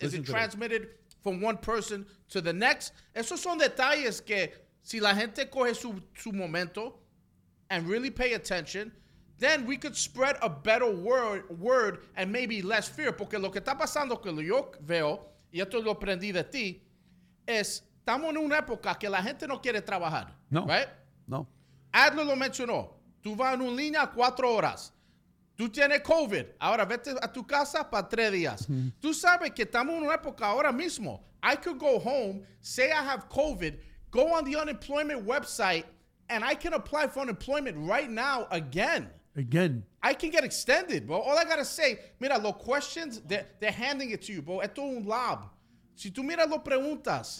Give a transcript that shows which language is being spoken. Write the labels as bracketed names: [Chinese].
[English] Listen, is it transmitted from one person to the next? [Spanish] Esos son detalles que... Si la gente coge su momento [English] and really pay attention, then we could spread a better word and maybe less fear. [Spanish] Porque lo que está pasando, que yo veo, y esto lo aprendí de ti, es estamos en una época que la gente no quiere trabajar. No. [English] Right? [Spanish] No. Adler lo mencionó. Tú vas en una línea 4 horas. Tú tienes COVID. Ahora vete a tu casa para 3 días. Mm-hmm. Tú sabes que estamos en una época ahora mismo. [English] I could go home, say I have COVID, go on the unemployment website, and I can apply for unemployment right now again. Again. I can get extended, bro. All I got to say, mira, los questions, they're handing it to you, bro. [Spanish] Esto es un lab. Si tú mira lo preguntas,